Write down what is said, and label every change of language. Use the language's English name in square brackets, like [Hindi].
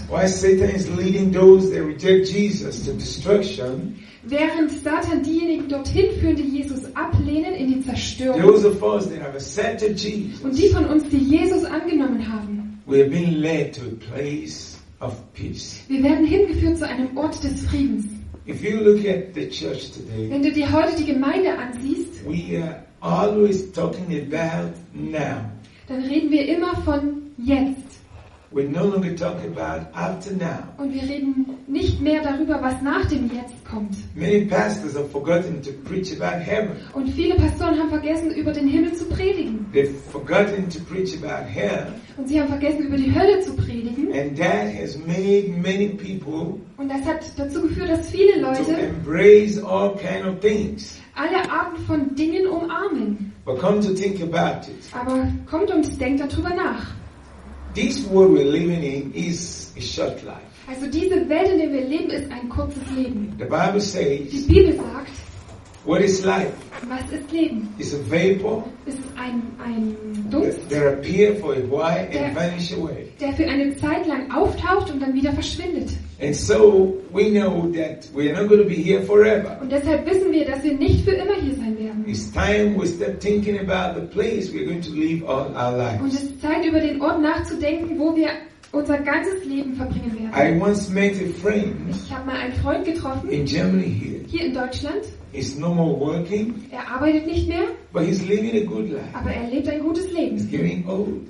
[English] Why Satan is leading those that reject Jesus to destruction. [German] Während Satan diejenigen dorthin führt, die Jesus ablehnen, in die Zerstörung. [English] Those of us that have accepted Jesus, [German] und die von uns, die Jesus angenommen haben, [English] we are being led to a place of peace. [German] Wir werden hingeführt zu einem Ort des Friedens. [English] If you look at the church today, [German] wenn du dir heute die Gemeinde ansiehst, [English] we are always talking about now. [German] Dann reden wir immer von jetzt. [English] We no longer talk about after now. [German] Und wir reden nicht mehr darüber, was nach dem Jetzt kommt. [English] Many pastors have forgotten to preach about heaven. [German] Und viele Pastoren haben vergessen, über den Himmel zu predigen. [English] They've forgotten to preach about hell. [German] Und sie haben vergessen, über die Hölle zu predigen. [English] And that has made many people. [German] Und das hat dazu geführt, dass viele Leute [English] to embrace all kind of things. [German] Alle Arten von Dingen umarmen. [English] But come to think about it. [German] Aber kommt und denkt darüber nach. [English] This world we're living in is a short life. [German] Also diese Welt, in der wir leben, ist ein kurzes Leben. [English] The Bible says. [German] Die Bibel sagt. [English] What is life? [German] Was ist Leben? [English] It's a vapor. [German] Ist ein Dunst. [English] That appear for a while and vanish away. [German] Der für eine Zeit lang auftaucht und dann wieder verschwindet. [English] And so we know that we are not going to be here forever. [German] Und deshalb wissen wir, dass wir nicht für immer hier sein werden. [English] It's time we start thinking about the place we're going to live all our lives. [German] Und es ist Zeit, über den Ort nachzudenken, wo wir unser ganzes Leben verbringen werden. [English] I once met a friend. [German] Ich habe mal einen Freund getroffen. [English] In Germany here. [German] Hier in Deutschland. [English] He's no more working. [German] Er arbeitet nicht mehr. [English] But he's living a good life. [German] Aber er lebt ein gutes Leben. [English] He's getting old.